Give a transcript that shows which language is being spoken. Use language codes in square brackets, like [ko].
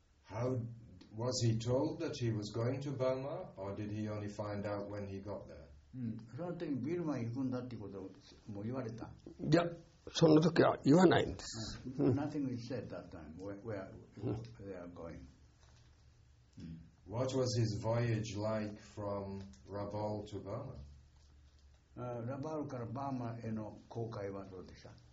[en] How was he told that he was going to Burma, or did he only find out when he got there? [ja] その時ビルマに行くんだってことをもう言われた。いや、その時は言わないんです。 [en] Nothing was said that time where they are going. What was his voyage like from Rabaul to Burma? [ja] ラバールからバーマへの航海はどうでした？